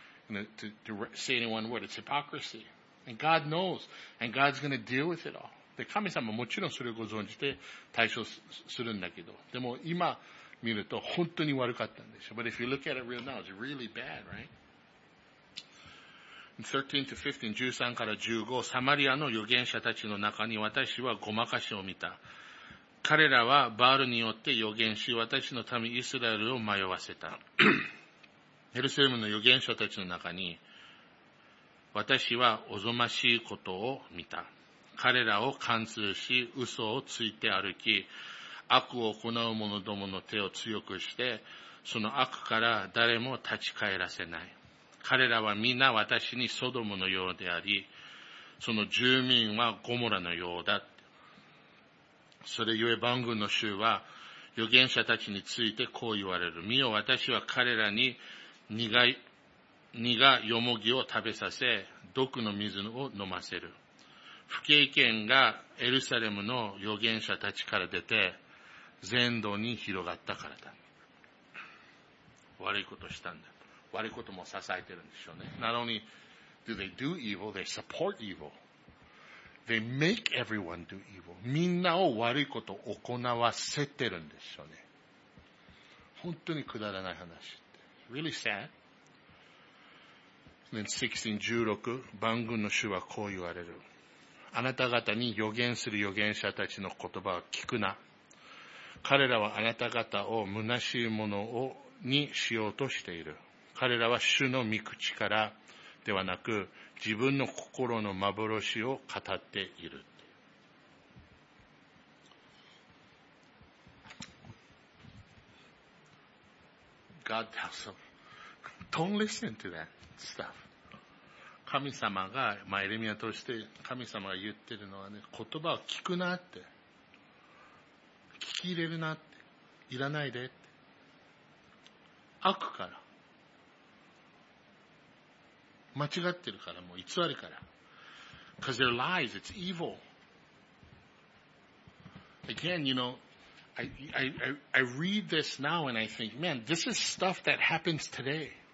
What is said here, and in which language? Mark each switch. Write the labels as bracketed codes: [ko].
[en] You know, to say in one word, it's hypocrisy. And God knows, and God's gonna deal with it all. [ja] で、神様もちろんそれをご存じて対処するんだけど。でも今見ると本当に悪かったんでしょ。 [en] But if you look at it real now, it's really bad, right? 13-15, 13から15、 [ja] サマリアの預言者たちの中に私はごまかしを見た。彼らはバールによって預言し、私の民イスラエルを迷わせた。エルサレムの預言者たちの中に私はおぞましいことを見た。彼らを貫通し、嘘をついて歩き、悪を行う者どもの手を強くして、その悪から誰も立ち返らせない。彼らは皆私にソドムのようであり、その住民はゴモラのようだ。それゆえ万軍の主は預言者たちについてこう言われる。見よ、私は彼らに苦よもぎを食べさせ、毒の水を飲ませる。不敬虔がエルサレムの預言者たちから出て、全土に広がったからだ。悪いことしたんだ。悪いことも支えてるんでしょうね。 [en] Not only do they do evil, they support evil. They make everyone do evil. [ja] みんなを悪いことを行わせてるんでしょうね。本当にくだらない話って。 [en] Really sad. Then 16-16, [ja] 万軍の主はこう言われる。あなた方に預言する預言者たちの言葉を聞くな。彼らはあなた方を虚しいものをにしようとしている。彼らは主の御口からではなく自分の心の幻を語っている。 [en] God tells them, don't listen to that stuff. [ja] 神様が、まあ、エレミアとして神様が言ってるのはね、言葉を聞くなって。聞き入れるなって。いらないでって。悪から。間違ってるから、もう偽りから。 [en] Because they're lies, it's evil. Again, you know, I read this now and I think, man, this is stuff that happens today.